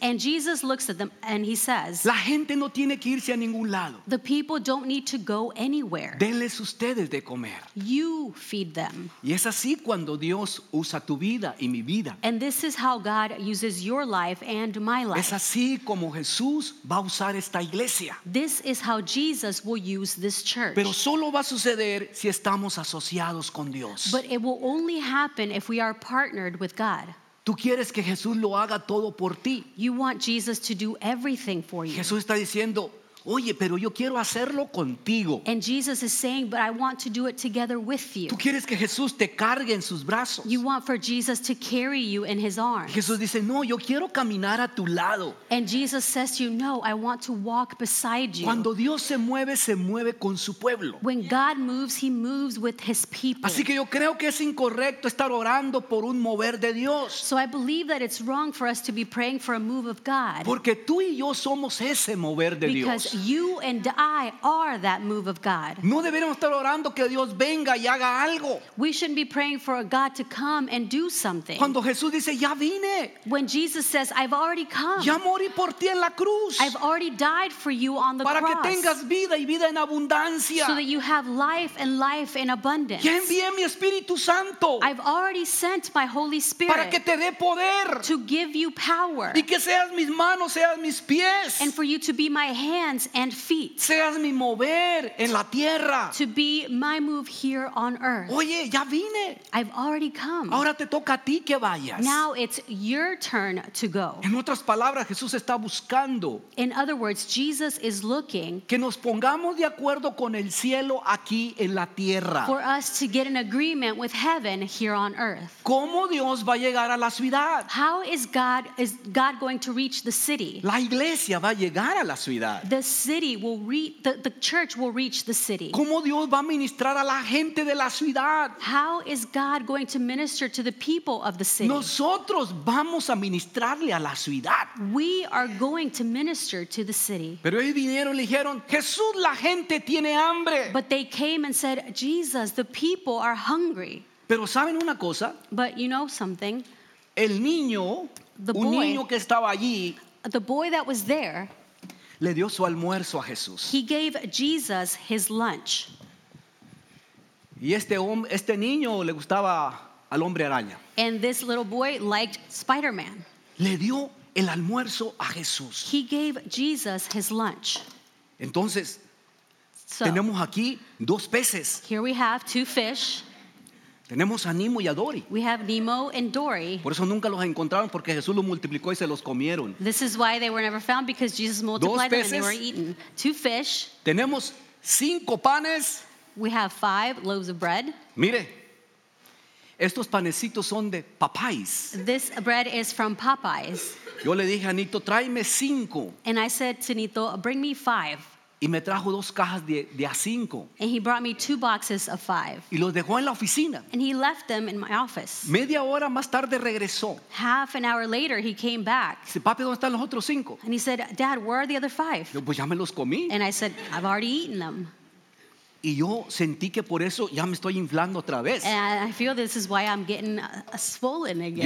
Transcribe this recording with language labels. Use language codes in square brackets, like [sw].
[en] And Jesus looks at them and he says, [es] la gente no tiene que irse a ningún lado. [en] The people don't need to go anywhere. [es] Denles ustedes de comer. [en] You feed them. [es] Y es así cuando Dios usa tu vida. Y mi vida. [en] And this is how God uses your life and my life. [es] Es así como Jesús va a usar esta iglesia. [en] This is how Jesus will use this church. [es] Pero solo va a suceder si estamos asociados con Dios. [en] But it will only happen if we are partnered with God. [es] Tú quieres que Jesús lo haga todo por ti. [en] You want Jesus to do everything for you. [es] Jesús está diciendo, oye, pero yo quiero hacerlo contigo. [en] And Jesus is saying, but I want to do it together with you. [es] Tú quieres que Jesús te cargue en sus brazos. [en] You want for Jesus to carry you in his arms. [es] Jesús dice, no, yo quiero caminar a tu lado. [en] And Jesus says to you, no, I want to walk beside you. [es] Cuando Dios se mueve con su pueblo. [en] When God moves, he moves with his people. [es] Así que yo creo que es incorrecto estar orando por un mover de Dios. [en] So I believe that it's wrong for us to be praying for a move of God. [es] Porque tú y yo somos ese mover de Dios. [en] You and I are that move of God. [es] No deberíamos estar orando que Dios venga y haga algo. [en] We shouldn't be praying for a God to come and do something. [es] Cuando Jesús dice, ya vine. [en] When Jesus says, I've already come. [es] Ya morí por ti en la cruz. [en] I've already died for you on the [es] para [en] cross. [es] Para que tengas vida y vida en abundancia. [en] So that you have life and life in abundance. [es] Ya envié mi Espíritu Santo. [en] I've already sent my Holy Spirit. [es] Para que te dé poder. [en] To give you power. [es] Y que seas mis manos, seas mis pies. [en] And for you to be my hands. And feet. [es] Seas mi mover en la tierra. [en] To be my move here on earth. [es] Oye, ya vine. [en] I've already come. [es] Ahora te toca a ti que vayas. [en] Now it's your turn to go. [es] En otras palabras, Jesús está buscando. [en] In other words, Jesus is looking. [es] Que nos pongamos de acuerdo con el cielo aquí en la tierra. [en] For us to get an agreement with heaven here on earth. [es] ¿Cómo Dios va a llegar a la ciudad? [en] How is God going to reach the city? [es] La iglesia va a llegar a la ciudad. [en] The church will reach the city. [es] ¿Cómo Dios va a ministrar a la gente de la ciudad? [en] How is God going to minister to the people of the city? [es] Nosotros vamos a ministrarle a la ciudad. [en] We are going to minister to the city. [es] Pero ellos vinieron y dijeron, Jesús, la gente tiene hambre. [en] But they came and said, Jesus, the people are hungry. [es] Pero saben una cosa. [en] But you know something. [es] El niño, [en] the [es] un [en] boy, [es] niño que estaba allí, [en] the boy that was there, [es] le dio su almuerzo a Jesús. [en] He gave Jesus his lunch. [es] Y este niño le gustaba al hombre araña. [en] And this little boy liked Spider-Man. [es] Le dio el almuerzo a Jesús. [en] He gave Jesus his lunch. [es] Entonces, [en] so, [es] tenemos aquí dos peces. [en] Here we have two fish. [es] Tenemos a Nemo y a Dory. [en] We have Nemo and Dory. [es] Por eso nunca los encontraron porque Jesús los multiplicó y se los comieron. [en] This is why they were never found, because Jesus multiplied them and they were eaten. Two fish. [es] Tenemos cinco panes. [en] We have five loaves of bread. [es] Mire, estos panecitos son de Popeyes. [en] This bread is from Popeyes. [es] Yo le dije a Nito, tráeme cinco. [en] And I said to Nito, bring me five. [es] Y me trajo dos cajas de a cinco. [en] And he brought me two boxes of five. [es] Y los dejó en la oficina. [en] And he left them in my office. [es] Media hora más tarde regresó. [en] Half an hour later he came back. [es] Dice, papi, ¿dónde están los otros cinco? [en] And he said, Dad, where are the other five? [es] Yo, pues ya me los comí. [en] And I said, I've already eaten them. [es] Y yo sentí que por eso ya me estoy inflando otra vez. [en] And I feel this is why I'm getting swollen again.